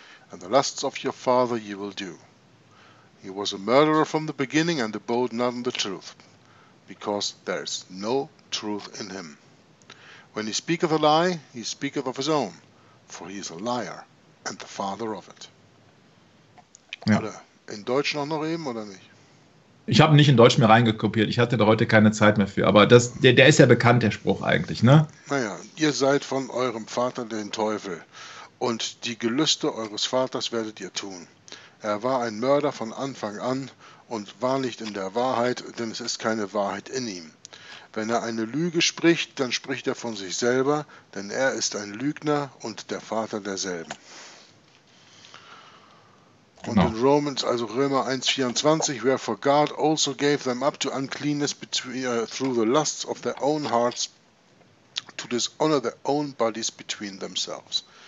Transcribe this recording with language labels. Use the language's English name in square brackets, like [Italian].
[English] and the last of your father you will do. He was a murderer from the beginning and abode not in the truth, because there is no truth in him. When he speaketh a lie, he speaketh of his own, for he is a liar and the father of it. [German] Ja. Oder in Deutsch auch noch eben, oder nicht? Ich habe nicht in Deutsch mehr reingekopiert, ich hatte da heute keine Zeit mehr für, aber das, der ist ja bekannt, der Spruch eigentlich, ne? Naja, ihr seid von eurem Vater den Teufel und die Gelüste eures Vaters werdet ihr tun. Er war ein Mörder von Anfang an und war nicht in der Wahrheit, denn es ist keine Wahrheit in ihm. Wenn er eine Lüge spricht, dann spricht er von sich selber, denn er ist ein Lügner und der Vater derselben. Und genau. [English] In Romans, also Römer 1,24, wherefore God also gave them up to uncleanness through the lusts of their own hearts to dishonor their own bodies between themselves.